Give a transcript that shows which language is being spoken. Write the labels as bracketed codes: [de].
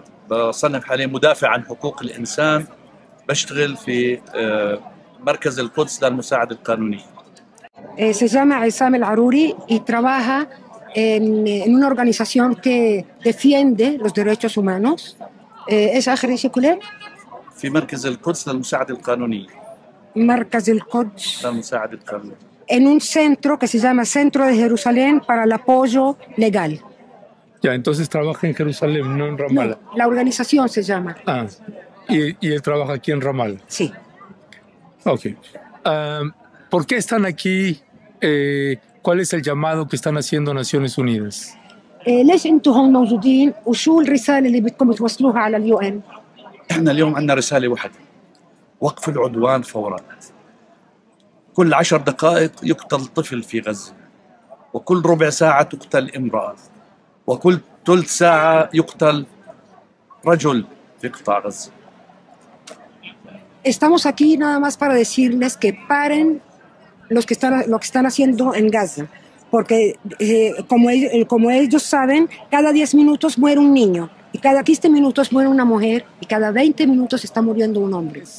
[ar] بصنف حالي مدافع عن حقوق الإنسان. بشتغل في مركز القدس للمساعدة القانونية. [es] Se llama Isam El Aruri y trabaja en una organización que defiende los derechos humanos. ¿Es Ajri Secular? [ar] في مركز القدس للمساعدة القانونية. مركز القدس. للمساعدة القانونية. [es] En un centro que se llama Centro de Jerusalén para el Apoyo Legal. Ya, entonces trabaja en Jerusalén, no en Ramallah. No, la organización se llama. Ah, y él trabaja aquí en Ramallah. Sí. Ok. ¿Por qué están aquí? ¿Cuál es el llamado que están haciendo Naciones Unidas? [ar] ليش انتم هون موجودين وشو الرساله اللي بدكم توصلوها على اليو ان؟ احنا اليوم عندنا رساله واحده. وقف العدوان فورا. كل 10 دقائق يقتل طفل في غزه. وكل ربع ساعه تقتل امراه. وكل ثلث ساعه يقتل رجل في قطاع غزه. [es] Estamos aquí nada más para decirles que paren lo que están haciendo en Gaza. porque como ellos saben, cada 10 minutos muere un niño, y cada 15 minutos muere una mujer, y cada 20 minutos está muriendo un hombre.